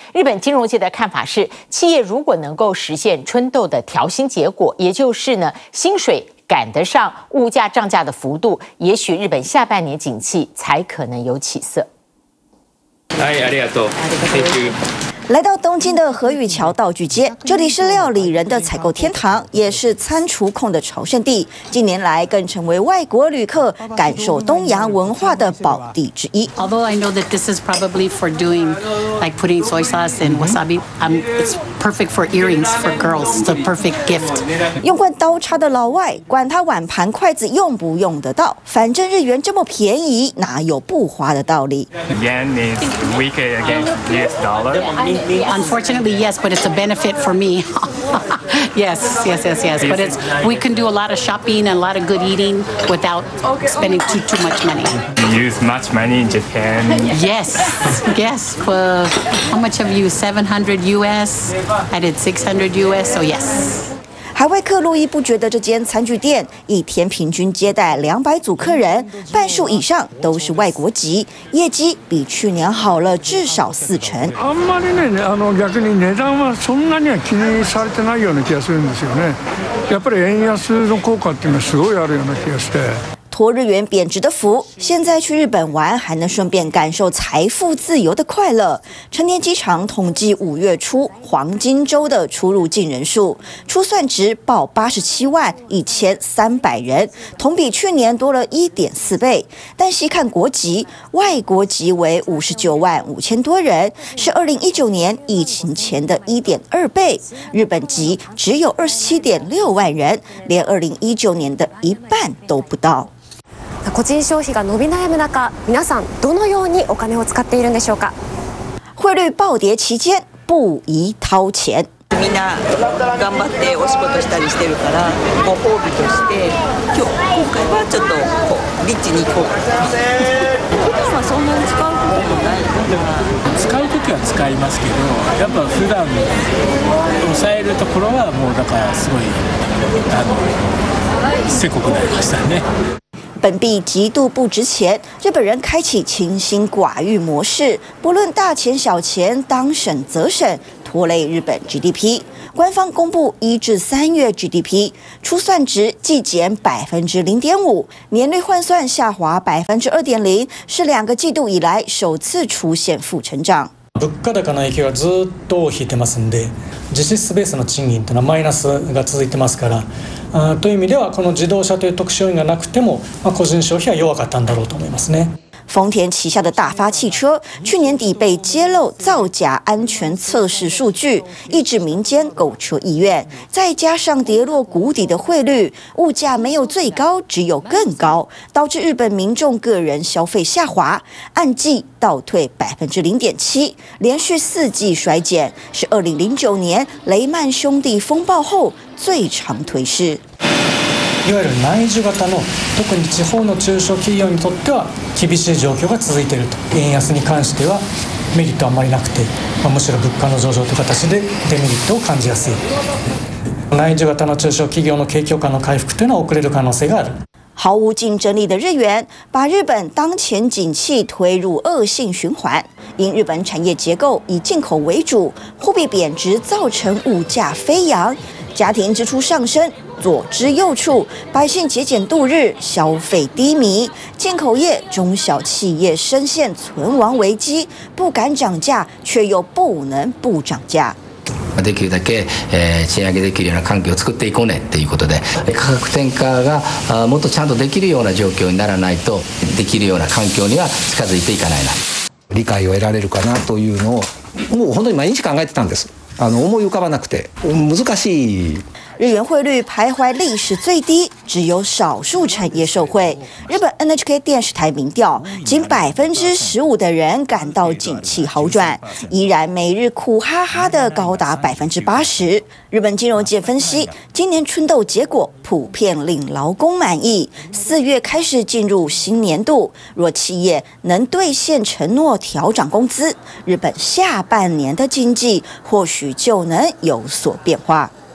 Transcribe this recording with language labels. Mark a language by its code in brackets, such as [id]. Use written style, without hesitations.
[zh] 日本金融界的看法是，企业如果能够实现春豆的调薪结果，也就是呢，薪水赶得上物价涨价的幅度，也许日本下半年景气才可能有起色。 [ja] はい、ありがとう。 [en] Thank you。 [zh] 来到东京的河与桥道具街，这里是料理人的采购天堂，也是餐厨控的朝圣地，近年来更成为外国旅客感受东洋文化的宝地之一。 [en] Although I know that this is probably for doing like putting soy sauce and wasabi, it's perfect for earrings for girls, the perfect gift. [zh] 用惯刀叉的老外，管他碗盘筷子用不用得到，反正日元这么便宜，哪有不花的道理。 [en] Yen is weaker against US dollar. Unfortunately, yes, but it's a benefit for me. Yes, yes, yes, yes. But it's, we can do a lot of shopping and a lot of good eating without spending too much money. You use much money in Japan? Yes, yes. Well, how much have you? 700 US? I did 600 US, so yes. [zh] 还为客络绎不绝的这间餐具店，一天平均接待200组客人，半数以上都是外国籍，业绩比去年好了至少40%。 [ja] あんまりね、逆に値段はそんなには気にされてないような気がするんですよね。やっぱり円安の効果っていうのはすごいあるような気がして。 [zh] 托日元贬值的福，现在去日本玩还能顺便感受财富自由的快乐。成田机场统计5月初黄金周的出入境人数，初算值报871,300人，同比去年多了1.4倍。但细看国籍，外国籍为595,000多人，是2019年疫情前的1.2倍；日本籍只有27.6万人，连2019年的一半都不到。 [ja] 個人消費が伸び悩む中、皆さんどのようにお金を使っているんでしょうか。 [zh] 汇率暴跌期間、不宜掏錢。 [ja] みんな頑張ってお仕事したりしてるから、ご褒美として、今回はちょっとこうリッチに行こうか。普段はそんなに使うこともないのかな。使うときは使いますけど、やっぱ普段抑えるところはもうだからすごい、せこくなりましたね。 [zh] 本币极度不值钱，日本人开启清心寡欲模式，不论大钱小钱，当省则省，拖累日本 GDP。官方公布1至3月 GDP 初算值季减0.5%，年率换算下滑2.0%，是两个季度以来首次出现负成长。 [ja] 物価高の影響はずっと引いてますんで、実質ベースの賃金というのはマイナスが続いてますから、という意味ではこの自動車という特殊要因がなくても、個人消費は弱かったんだろうと思いますね。 [zh] 丰田旗下的大发汽车去年底被揭露造假安全测试数据，抑制民间购车意愿，再加上跌落谷底的汇率，物价没有最高只有更高，导致日本民众个人消费下滑，按季倒退 0.7%， 连续四季衰减，是2009年雷曼兄弟风暴后最长退市。 [ja] いわゆる内需型の特に地方の中小企業にとっては厳しい状況が続いていると、円安に関してはメリットあまりなくて、まあ、むしろ物価の上昇という形でデメリットを感じやすい。内需型の中小企業の景況感の回復というのは遅れる可能性がある。 [zh] 毫无竞争力的日元把日本当前景气推入恶性循环，因日本产业结构以进口为主，货币贬值造成物价飞扬，家庭支出上升，左支右绌，百姓节俭度日，消费低迷，进口业、中小企业深陷存亡危机，不敢涨价，却又不能不涨价。 [ja] できるだけ賃上げできるような環境を作っていこうねということで、価格転嫁がもっとちゃんとできるような状況にならないと、できるような環境には近づいていかないな。理解を得られるかなというのを、もう本当に毎日考えてたんです。思い浮かばなくて難しい。 [zh] 日元汇率徘徊历史最低，只有少数产业受惠。日本 NHK 电视台民调，仅15%的人感到景气好转，依然每日苦哈哈的高达80%。日本金融界分析，今年春斗结果普遍令劳工满意，四月开始进入新年度，若企业能兑现承诺调涨工资，日本下半年的经济或许就能有所变化。